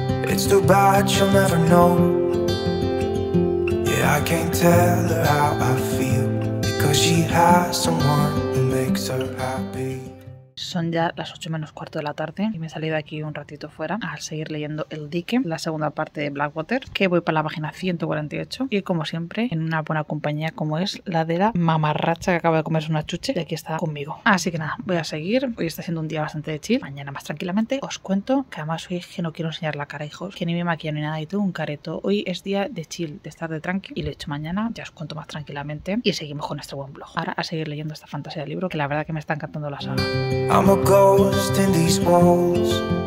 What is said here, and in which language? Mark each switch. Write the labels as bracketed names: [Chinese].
[English] It's too bad she'll never know. Yeah, I can't tell her how I feel. Because she has someone who makes her happy. [Spanish] Son ya las 8 menos cuarto de la tarde y me he salido aquí un ratito fuera al seguir leyendo el dique, la segunda parte de Blackwater, que voy para la página 148 y como siempre en una buena compañía como es la de la mamarracha que acaba de comerse una chuche y aquí está conmigo. Así que nada, voy a seguir. Hoy está siendo un día bastante de chill. Mañana más tranquilamente os cuento, que además hoy es que no quiero enseñar la cara, hijos, que ni me maquillo ni nada y tengo un careto. Hoy es día de chill, de estar de tranqui y lo he hecho mañana, ya os cuento más tranquilamente y seguimos con nuestro buen blog. Ahora a seguir leyendo esta fantasía de libro, que la verdad que me está encantando la saga. [English] I'm a ghost in these walls.